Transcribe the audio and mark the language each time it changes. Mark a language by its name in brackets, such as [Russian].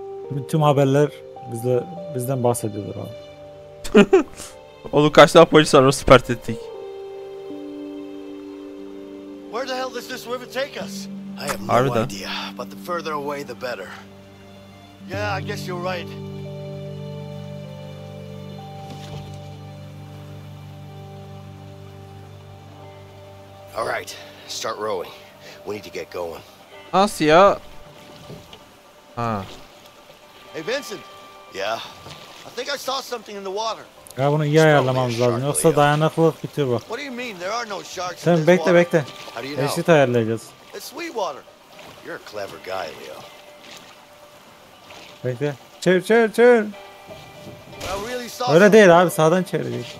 [Turkish] Bütün haberler bizden bahsediyorlar abi. Oğlum kaç tane polis var, süpert ettik. [English] Where the hell does this river take us? I have no idea, but the further away the better. Yeah, I guess you're right. All right, start rowing. We need to get going. [Turkish] Nasıl ya? Ha. [English] Hey Vincent. Yeah. I think I saw something in the water. [Turkish] Ya bunu iyi ayarlamamız lazım. Yoksa dayanıklılık bitiyor bu. [English] What do you mean? There are no sharks. [Turkish] Sen bekle bekle. Eşit ayarlayacağız. [English] It's sweet water. You're a clever guy, Leo. [Turkish] Bekle. Çevir çevir çevir. [English] I really [Turkish] Öyle değil abi, sağdan çevireceğiz.